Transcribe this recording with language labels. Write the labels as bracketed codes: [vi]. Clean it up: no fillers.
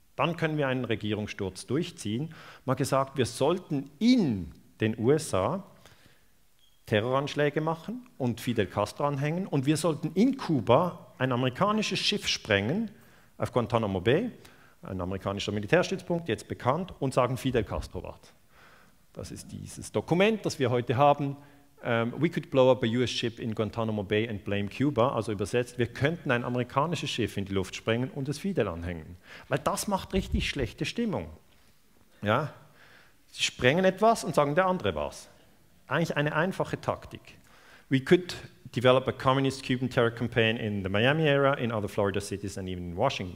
[de] Dann können wir einen Regierungssturz durchziehen. Man hat gesagt, wir sollten in den USA Terroranschläge machen und Fidel Castro anhängen und wir sollten in Kuba ein amerikanisches Schiff sprengen, auf Guantanamo Bay, ein amerikanischer Militärstützpunkt, jetzt bekannt, und sagen, Fidel Castro wart. Das ist dieses Dokument, das wir heute haben. [en] We could blow up a US ship in Guantanamo Bay and blame Cuba. [de] Also übersetzt, wir könnten ein amerikanisches Schiff in die Luft sprengen und es Fidel anhängen. Weil das macht richtig schlechte Stimmung. Ja? Sie sprengen etwas und sagen, der andere war's. Eigentlich eine einfache Taktik. [en] We could develop a communist Cuban terror campaign in the Miami area, in other Florida cities and even in Washington.